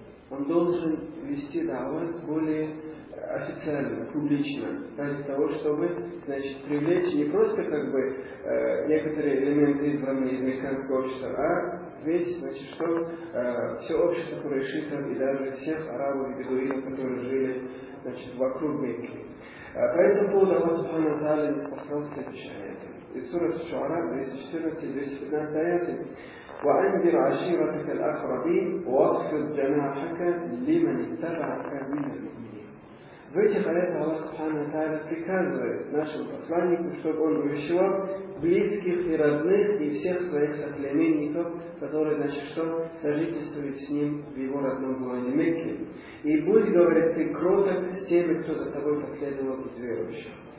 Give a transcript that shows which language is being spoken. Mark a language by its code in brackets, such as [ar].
[ru] Он должен вести дауэт более официально, публично, ради того, чтобы, значит, привлечь не просто как бы некоторые элементы избранные из американского общества, а весь, значит, что все общество курайшитов и даже всех арабов и бедуинов, которые жили, значит, вокруг Мекки. По этому поводу Аллах субхана ва тааля послал следующие аяты. Из суры Аш-Шуара 214-215 аяты. [ar] وأنذر عشيرتك الأقربين واخفض جناحك لمن اتبعك من المؤمنين. [ru] В этих аятах Аллах Субхана ва Тааля приказывает нашему посланнику, чтобы он увещевал близких и родных и всех своих соплеменников, которые, значит, что сожительствуют с ним в его родном городе Мекке. И будь, говорит, ты кроток с теми, кто за тобой последовал из верующих.